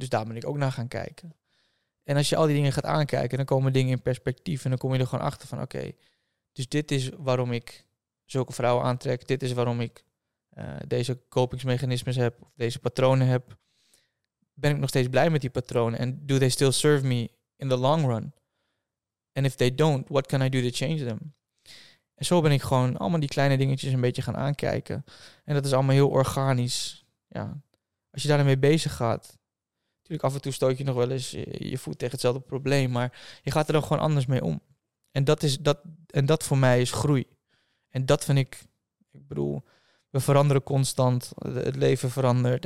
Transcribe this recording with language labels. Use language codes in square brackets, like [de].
[nl] Dus daar ben ik ook naar gaan kijken. En als je al die dingen gaat aankijken, dan komen dingen in perspectief. En dan kom je er gewoon achter van oké, dus dit is waarom ik zulke vrouwen aantrek. Dit is waarom ik deze kopingsmechanismes heb, of deze patronen heb. Ben ik nog steeds blij met die patronen? En [en] do they still serve me in the long run? And if they don't, what can I do to change them? [nl] En zo ben ik gewoon allemaal die kleine dingetjes een beetje gaan aankijken. En dat is allemaal heel organisch. Ja. Als je daarmee bezig gaat, natuurlijk af en toe stoot je nog wel eens je voet tegen hetzelfde probleem, maar je gaat er dan gewoon anders mee om. En dat voor mij is groei. En dat vind ik, ik bedoel, we veranderen constant, het leven verandert.